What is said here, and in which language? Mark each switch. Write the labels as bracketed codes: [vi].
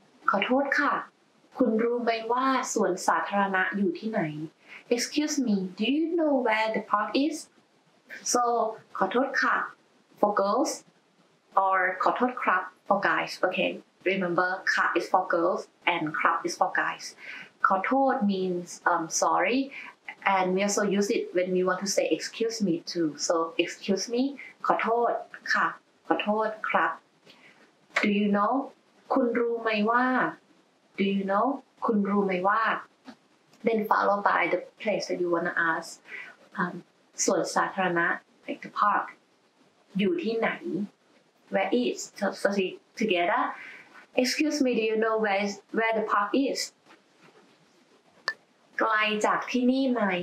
[th] ขอโทษค่ะคุณรู้ไหมว่าสวนสาธารณะอยู่ที่ไหน [en] Excuse me, do you know where the park is? So, [th] ขอโทษค่ะ [en] For girls, or [th] ขอโทษครับ [en] for guys. Okay, remember, ค่ะ is for girls and ครับ is for guys. ขอโทษ means sorry, and we also use it when we want to say excuse me too. So excuse me, [th] ขอโทษค่ะขอโทษครับ. [en] Do you know? [th] คุณรู้ไหมว่า [en] Do you know? คุณรู้ไหมว่า Then followed by the place that you wanna ask. [th] ส่วนสาธารณะ [en] like the park. [th] อยู่ที่ไหน [en] Where is so together Excuse me Do you know where the park is [th] ไกลจากที่นี่ไหม